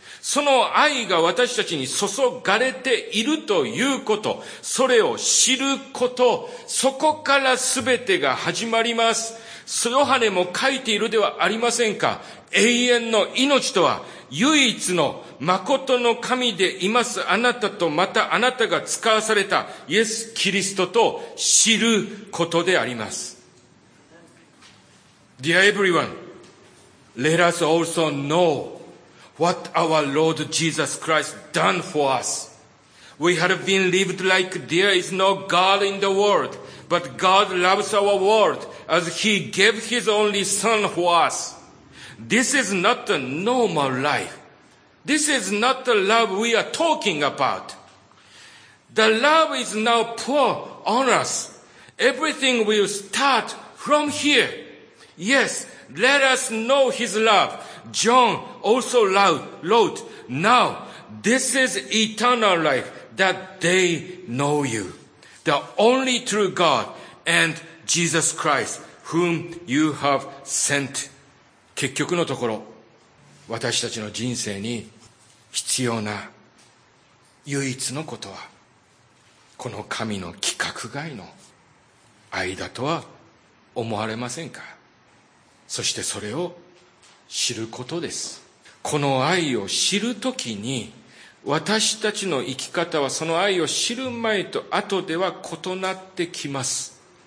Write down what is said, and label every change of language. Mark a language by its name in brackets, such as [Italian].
[Japanese] その愛が私たちに注がれているということ、それを知ること、そこからすべてが始まります。スヨハネも書いているではありませんか。永遠の命とは唯一の誠の神でいますあなたと、またあなたが使わされたイエス・キリストと知ることであります。 [English] Dear everyone, let us also know what our Lord Jesus Christ done for us. We have been lived like there is no God in the world, but God loves our world as he gave his only son for us. This is not a normal life. This is not the love we are talking about. The love is now poured on us. Everything will start from here. Yes, let us know his love. John also wrote, now this is eternal life, that they know you, the only true God and Jesus Christ, whom you have sent. [Japanese] 結局のところ、私たちの人生に必要な唯一のことは、この神の規格外の愛だとは思われませんか？そしてそれを知ることです。この愛を知るときに、私たちの生き方はその愛を知る前と後では異なってきます。